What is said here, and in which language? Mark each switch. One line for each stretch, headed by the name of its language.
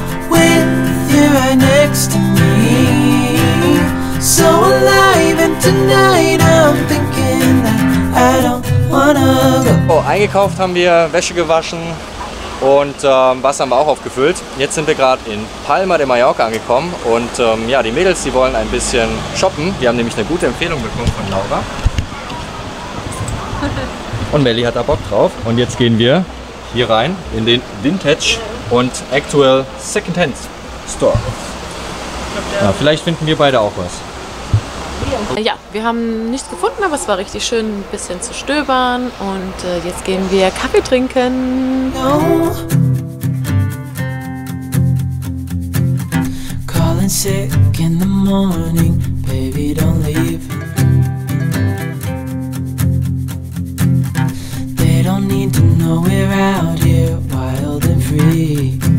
English: With you right next to me. So alive and tonight I'm thinking that I don't.
German: Oh, eingekauft haben wir, Wäsche gewaschen und Wasser haben wir auch aufgefüllt. Jetzt sind wir gerade in Palma de Mallorca angekommen und die Mädels, die wollen ein bisschen shoppen. Wir haben nämlich eine gute Empfehlung bekommen von Laura. Und Melli hat da Bock drauf. Und jetzt gehen wir hier rein in den Vintage und Actual Secondhand Store. Ja, vielleicht finden wir beide auch was. Ja, wir haben nichts gefunden, aber es war richtig schön, ein bisschen zu stöbern. Und jetzt gehen wir Kaffee trinken.
English: No. Calling sick in the morning, baby, don't leave. They don't need to know we're out here, wild and free.